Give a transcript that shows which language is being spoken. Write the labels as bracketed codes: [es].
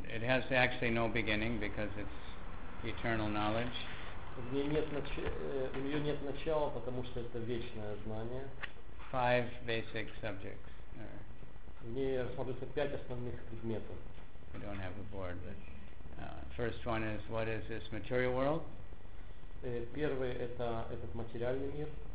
[en] It has actually no beginning because it's eternal knowledge. [ru] У нее нет начала, потому что это вечное знание. [en] Five basic subjects. [ru] В ней рассматриваются пять основных предметов. [en] We don't have a board, but first one is what is this material world? [ru] Первый это этот материальный мир.